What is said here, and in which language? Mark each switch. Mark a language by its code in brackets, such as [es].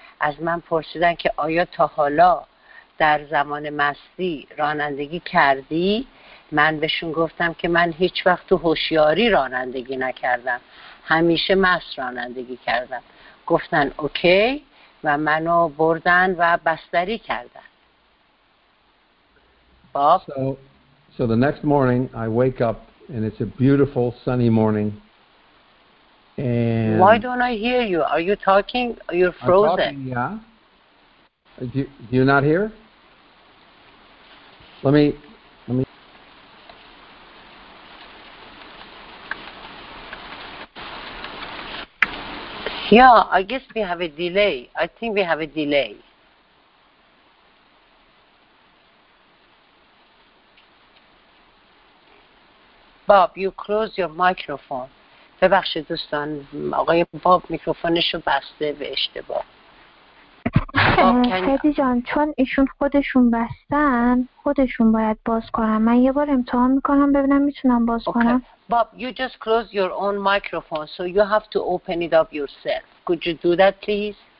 [fa] از من پرسیدن که آیا تا حالا در زمان مستی رانندگی کردی؟ من بهشون گفتم که من هیچ وقت تو هوشیاری رانندگی نکردم، همیشه مست رانندگی کردم. گفتن اوکی و منو بردن و بستری کردن. باب. [en] So the next morning I wake up and it's a beautiful sunny morning. And why don't I hear you? Are you talking? You're frozen. I'm talking, yeah. Do you not hear? Let me. Yeah, I guess we have a delay. I think we have a delay. Bob, you close your microphone. [fa] ببخشید دوستان، آقای باب میکروفونش رو بسته به اشتباه. خدی جان، چون ایشون خودشون بستن، خودشون باید باز کنن. من یه بار امتحان میکنم ببینم میتونم باز کنم. [en] Bob, you just close your own microphone, so you have to open it up yourself. Could you do that, please?